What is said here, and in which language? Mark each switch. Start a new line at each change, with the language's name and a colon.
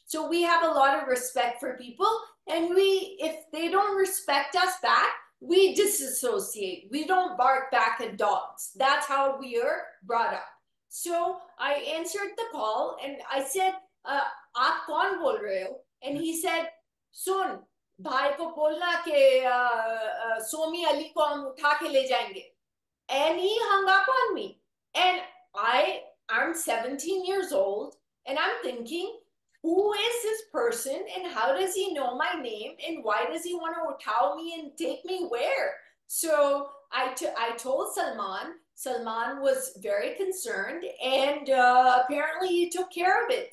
English: So we have a lot of respect for people. And we, if they don't respect us back, we disassociate. We don't bark back at dogs. That's how we are brought up. So I answered the call and I said,
Hindi: "आप कौन बोल रहे हो?"
English: And he said,
Hindi: "सुन, भाई को बोलना के सोमी अली को हम उठा के ले जाएंगे।"
English: And he hung up on me. And I'm 17 years old and I'm thinking, who is this person and how does he know my name and why does he want to tell me and take me where? So I told Salman. Salman was very concerned and apparently he took care of it.